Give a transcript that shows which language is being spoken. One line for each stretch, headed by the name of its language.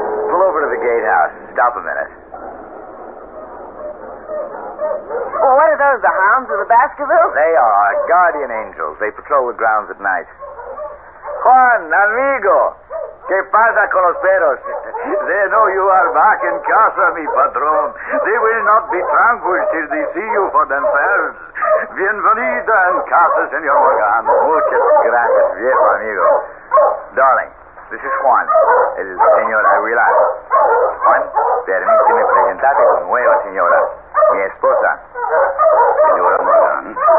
English: Pull over to the gatehouse and stop a minute. Florida as the hounds of the Baskervilles? They are guardian angels. They patrol the grounds at night.
Spanish: Juan, amigo, ¿qué pasa con los perros?
English: They know you are back in casa,
Spanish: mi patrón.
English: They will not be tranquil till they see you for themselves.
Spanish: Bienvenida en casa, señor Morgan. Muchas gracias, viejo amigo.
English: Darling, this is Juan,
Spanish: el señor Aguilar. Juan, permíteme presentarte con nueva señora, mi esposa, señora Morgan.